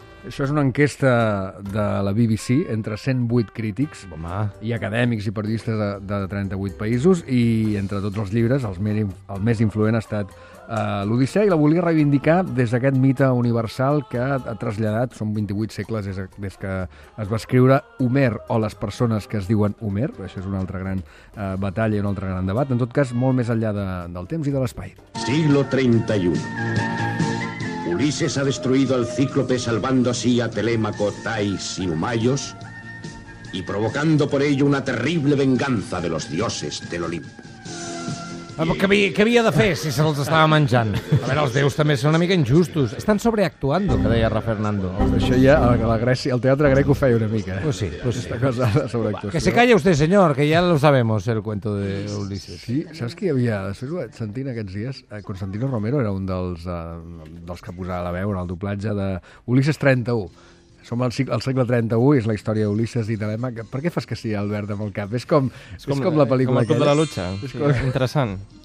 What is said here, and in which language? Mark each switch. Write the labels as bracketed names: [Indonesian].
[Catalan] Això és una enquesta de la BBC entre 108 crítics i acadèmics i periodistes de 38 països, i entre tots els llibres el més influent ha estat l'Odissea, i la volia reivindicar des d'aquest mite universal que ha traslladat, són 28 segles des que es va escriure, Homer o les persones que es diuen Homer. Això és una altra gran batalla i un altre gran debat, en tot cas molt més enllà del temps i de l'espai. [Spanish] Siglo 31. Ulises ha destruido al cíclope salvando así a Telémaco, Tais y Humayos y provocando por ello una terrible venganza de los dioses del Olimpo. [Catalan] Què havia de fer si se'ls estava menjant? A veure, els déus també són una mica injustos. [Spanish] Estan sobreactuando, [Catalan] que deia [Spanish] Rafernando. [Catalan] Això ja la Grècia, el teatre grec ho feia una mica. [Spanish] Pues sí. Esta cosa de [Catalan] sobreactuació. [Spanish] Que se calle usted, señor, que [Catalan] ja [Spanish] lo sabemos, el cuento de Ulises. [Catalan] Sí, saps qui hi havia? Sentint aquests dies, Constantino Romero era un dels que posava la veu en el doblatge de Ulises 31. Som al segle 31 i és la història d'Ulisses i Telèmac. Per què fas que sí, Albert, amb el cap? És com la pel·lícula aquella. Com el Club de la Lucha. Sí, interessant.